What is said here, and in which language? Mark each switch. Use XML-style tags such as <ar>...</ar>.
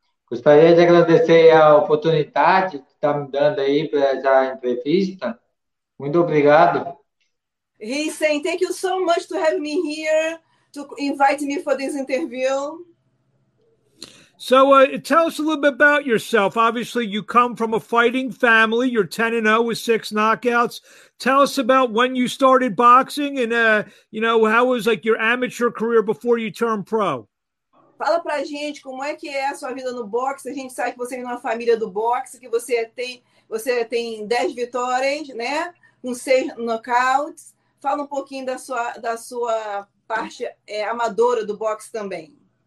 <pt>Gostaria de agradecer a oportunidade que está me dando aí para essa entrevista. Muito obrigado.</pt> <en>He's saying, thank you so much to have me here, to invite me for this interview. So tell us a little bit about yourself. Obviously, you come from a fighting family. You're 10-0 with 6 knockouts. Tell us about when you started boxing and, you know, how was, like, your amateur career before you turned pro?</en> <pt>Fala pra gente como é que é a sua vida no boxe. A gente sabe que você vem numa família do boxe, que você tem 10 vitórias, né? Com 6 knockouts. Fala um pouquinho da sua parte amadora do boxe também.</pt>